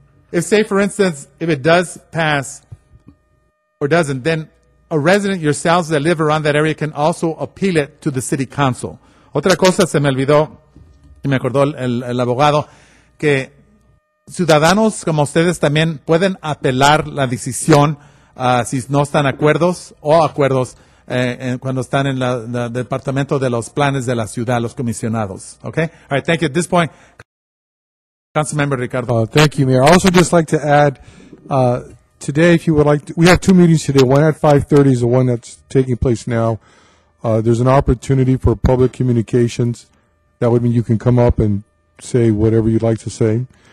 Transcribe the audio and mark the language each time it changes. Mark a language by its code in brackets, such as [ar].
[en] If, say, for instance, if it does pass or doesn't, then a resident yourselves that live around that area can also appeal it to the city council. [es] Otra cosa se me olvidó, y me acordó el abogado, que ciudadanos como ustedes también pueden apelar la decisión si no están acuerdos o acuerdos cuando están en el departamento de los planes de la ciudad, los comisionados. [en] Okay? All right, thank you. At this point, Councilmember Ricardo. Thank you, Mayor. I also just like to add, today, if you would like to, we have two meetings today, one at 5:30 is the one that's taking place now. There's an opportunity for public communications. That would mean you can come up and say whatever you'd like to say.